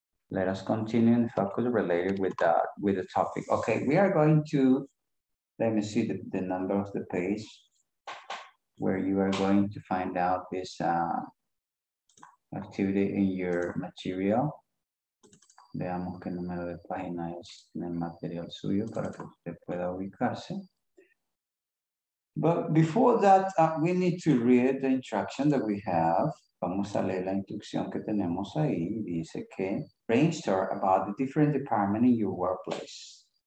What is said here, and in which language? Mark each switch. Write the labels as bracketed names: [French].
[English] Let us continue and focus related with the topic. Ok, we are going to, let me see the number of the page where you are going to find out this activity in your material. [Spanish] Veamos qué número de página es en el material suyo para que usted pueda ubicarse. [English] But before that, we need to read the instruction that we have. [Spanish] Vamos a leer la instrucción que tenemos ahí. Dice que [English] brainstorm about the different department in your workplace.